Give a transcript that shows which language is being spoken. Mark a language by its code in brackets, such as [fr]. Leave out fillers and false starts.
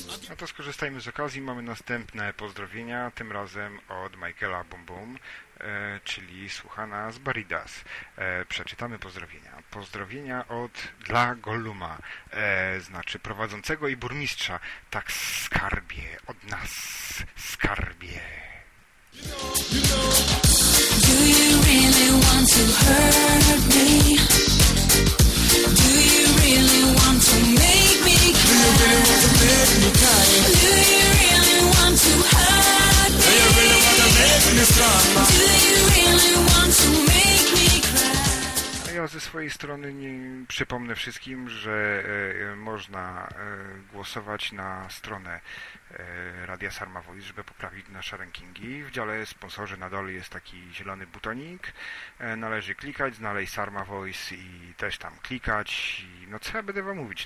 [pl] No to skorzystajmy z okazji, mamy następne pozdrowienia, tym razem od Michaela Bum Bum, czyli słuchana z Baridas. Przeczytamy pozdrowienia. Pozdrowienia od dla Golluma, znaczy prowadzącego i burmistrza. Tak skarbie, od nas skarbie. [en] Do you really want to hurt me? Do you really want to make me cry? Do you really want to make me cry? Do you really want to hurt me? Do you really want to make me strong? Do you really want to make me cry? [pl] Ja ze swojej strony nie przypomnę wszystkim, że można głosować na stronę Radia Sarma Voice, żeby poprawić nasze rankingi. W dziale sponsorzy na dole jest taki zielony butonik. Należy klikać, znaleźć Sarma Voice i też tam klikać. No co ja będę wam mówić?